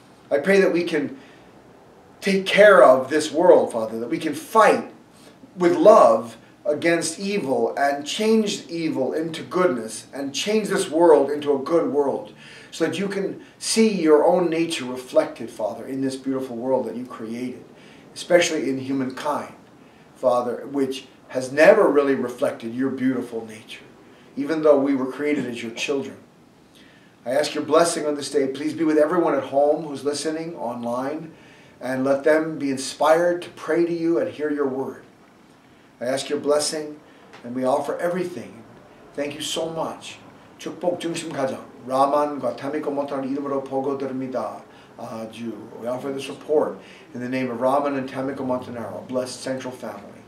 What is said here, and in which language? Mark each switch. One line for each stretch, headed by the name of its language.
English: I pray that we can take care of this world, Father, that we can fight with love against evil and change evil into goodness and change this world into a good world so that you can see your own nature reflected, Father, in this beautiful world that you created, especially in humankind, Father, which has never really reflected your beautiful nature, even though we were created as your children. I ask your blessing on this day. Please be with everyone at home who's listening online and let them be inspired to pray to you and hear your word. I ask your blessing, and we offer everything. Thank you so much.
Korean: 축복 중심 가정, 라만과 타미코 모타는 이름으로 보고 드립니다. 아주.
English: We offer this report in the name of Raman and Tamiko Montanaro, blessed central family.